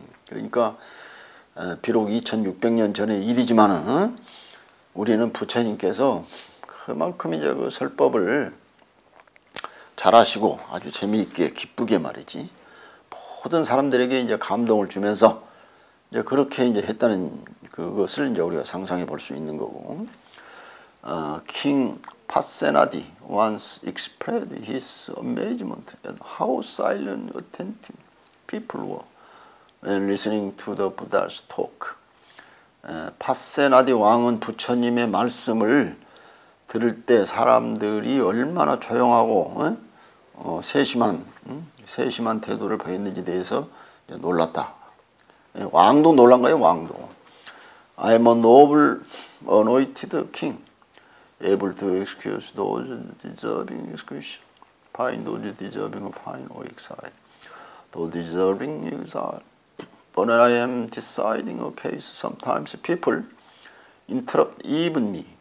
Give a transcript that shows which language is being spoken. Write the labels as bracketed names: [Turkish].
[Korean] 그러니까 비록 2600년 전의 일이지만은 우리는 부처님께서 그만큼 이제 그 설법을 잘하시고 아주 재미있게 기쁘게 말이지 모든 사람들에게 이제 감동을 주면서 이제 그렇게 이제 했다는 그것을 이제 우리가 상상해 볼수 있는 거고. [English] King Pasenadi once expressed his amazement at how silent and attentive people were when listening to the Buddha's talk. [Korean] 파세나디 왕은 부처님의 말씀을 들을 때 사람들이 얼마나 조용하고 세심한 태도를 보였는지 대해서 놀랐다. 왕도 놀란 거예요, 왕도. [English] I am a noble anointed king, able to excuse those deserving excuse, pardon those deserving pardon or exile, those deserving exile. But when I am deciding a case, sometimes people interrupt even me.